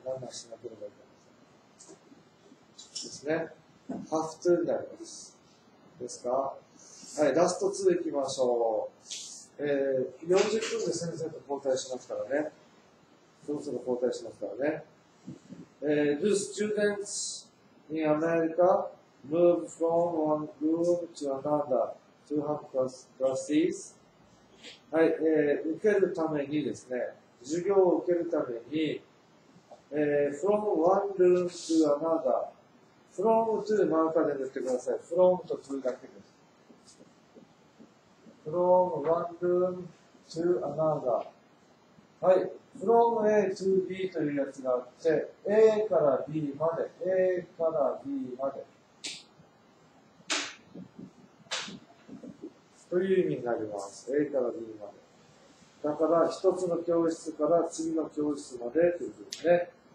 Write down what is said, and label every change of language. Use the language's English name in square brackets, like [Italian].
[Japanese] 何々しなければいけません。ですね。 have to になります。ですか？はい、ラスト2行きましょう。 40分で先生と交代しますからね。先生と交代しますからね。 [English] Do students in America move from one room to another to have classes? [Japanese] はい、受けるためにですね、授業を受けるために、 [English] from one room to another, from to [Japanese] マーカーで塗ってください。 from と to だけです。 [English] from one room to another. [Japanese] はい、 [English] from A to B [Japanese] というやつがあって、A から B まで、A から B まで、という意味になります。A から B まで。だから、一つの教室から次の教室までということですね。